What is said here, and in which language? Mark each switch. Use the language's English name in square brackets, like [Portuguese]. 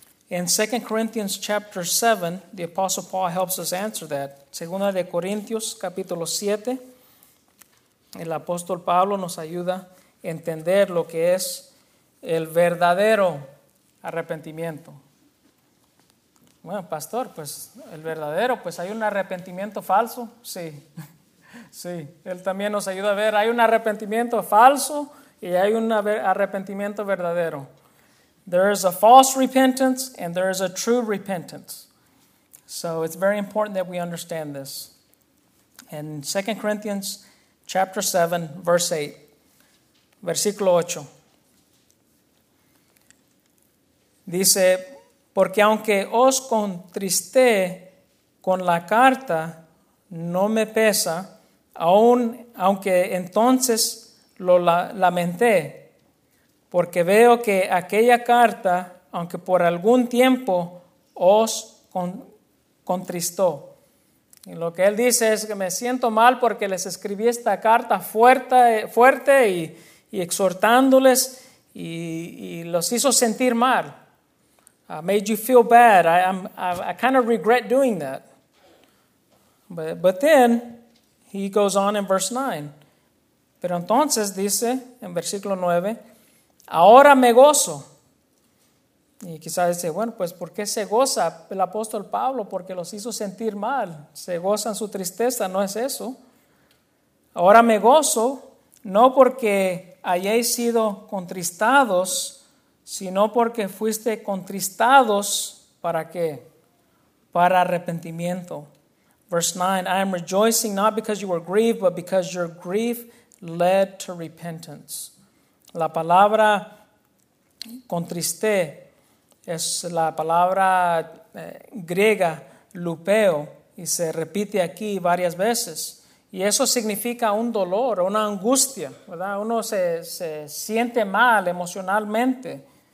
[English] In 2 Corinthians chapter 7, the Apostle Paul helps us answer that. [Spanish] Segunda de Corintios capítulo 7, el apóstol Pablo nos ayuda a entender lo que es el verdadero arrepentimiento. Bueno, pastor, pues el verdadero, pues hay un arrepentimiento falso. Sí, sí, él también nos ayuda a ver. Hay un arrepentimiento falso y hay un arrepentimiento verdadero. [English] There is a false repentance and there is a true repentance. So it's very important that we understand this. In 2 Corinthians chapter 7, verse 8, [Spanish] versículo 8. Dice, porque aunque os contristé con la carta, no me pesa, aunque entonces lo lamenté, porque veo que aquella carta, aunque por algún tiempo, os contristó. Y lo que él dice es que me siento mal porque les escribí esta carta fuerte y exhortándoles y los hizo sentir mal. [English] I made you feel bad. I kind of regret doing that. But then he goes on in verse 9. [Spanish] Pero entonces dice en versículo 9, ahora me gozo. Y quizás dice, bueno, pues ¿por qué se goza el apóstol Pablo? Porque los hizo sentir mal. Se goza en su tristeza, no es eso. Ahora me gozo, no porque hayáis sido contristados, sino porque fuiste contristados, ¿para qué? Para arrepentimiento. [English] Verse 9, I am rejoicing not because you were grieved, but because your grief led to repentance. [Spanish] La palabra contristé es la palabra griega lupeo y se repite aquí varias veces. Y eso significa un dolor, una angustia, ¿verdad? Uno se siente mal emocionalmente.